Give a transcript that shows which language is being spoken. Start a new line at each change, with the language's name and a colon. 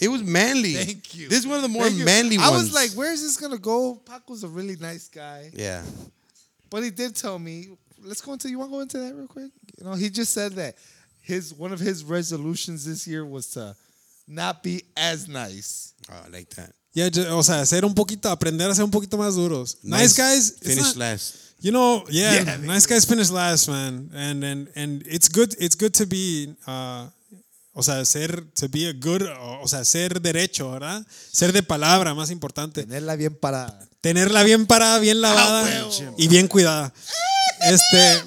English: It was manly. Thank you. This is one of the more manly ones. I was like, where is this going to go? Paco's a really nice guy. Yeah. But he did tell me... Let's go into... You want to go into that real quick? You know, he just said that one of his resolutions this year was to not be as nice. Oh, I like that. Yeah, just,
Spanish: o sea, ser un poquito, aprender a ser un poquito más duros.
English: Nice guys finish not, last. You know, yeah, nice guys finish last, man. And it's good. It's good to be,
Spanish: o sea, ser,
English: to be a good,
Spanish: o sea, ser derecho, ¿verdad? Ser de palabra, más importante. Tenerla bien parada. Tenerla bien parada, bien lavada y bien cuidada. Este.